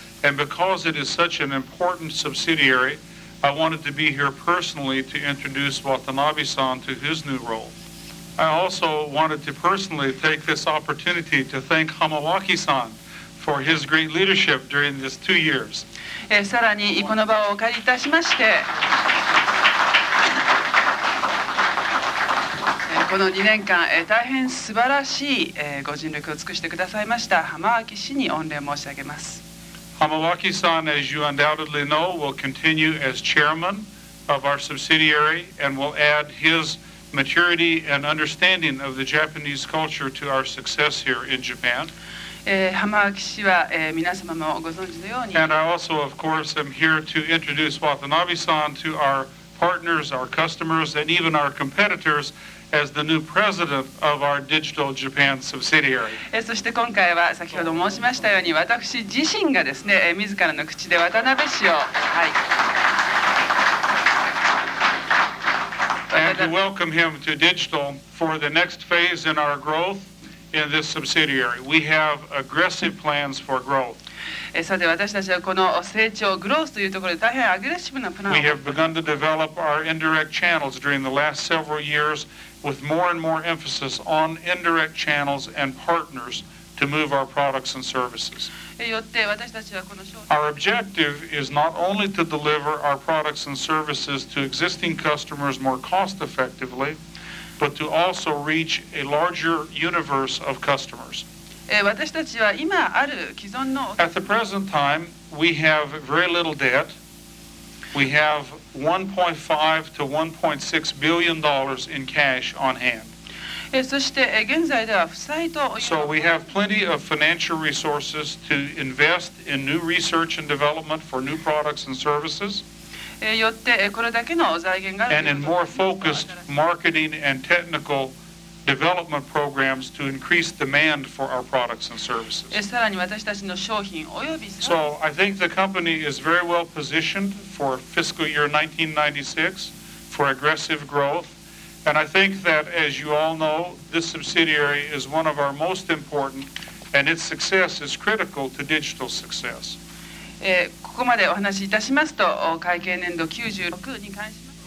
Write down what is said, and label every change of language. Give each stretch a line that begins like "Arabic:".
English: And because it is such an important subsidiary, I wanted to be here personally to introduce Watanabe-san to his new role. I also wanted to personally take this opportunity to thank Hamawaki-san for his great leadership during these 2 years.
Japanese: さらにこの場をお借りいたしまして、この2年間大変素晴らしいご尽力を尽くしてくださいました浜脇氏に御礼申し上げます。
English: 浜脇さん、as you undoubtedly know, will continue as chairman of our subsidiary and will add his maturity and understanding of the Japanese culture to our success here in Japan. And I also, of course, am here to introduce Watanabe-san to our partners, our customers, and even our competitors as the new president of our Digital Japan subsidiary.
Japanese: そして今回は先ほど申しましたように私自身がですね、自らの口で渡辺氏を、はい。
English: And to welcome him to Digital for the next phase in our growth. In this subsidiary, we have aggressive plans for growth.
Japanese: さて私たちはこの成長、グロースというところで大変アグレッシブなプランを。
English: We have begun to develop our indirect channels during the last several years with more and more emphasis on indirect channels and partners to move our products and services.
Japanese: よって私たちはこの商品。
English: Our objective is not only to deliver our products and services to existing customers more cost effectively,but to also reach a larger universe of customers.
Japanese: 私たちは今ある既存の
English: At the present time, we have very little debt. We have $1.5 to $1.6 billion in cash on hand.
Japanese: そして現在では負債と
English: So we have plenty of financial resources to invest in new research and development for new products and services
Japanese: よってこれだけの財源がある
English: And in more focused marketing and technical development programs to increase demand for our products and services.
Japanese: さらに私たちの商品および
English: So I think the company is very well positioned for fiscal year 1996 for aggressive growth. And I think that as you all know, this subsidiary is one of our most important and its success is critical to digital success.
Japanese: ここまでお話しいたしますと会計年度96に関し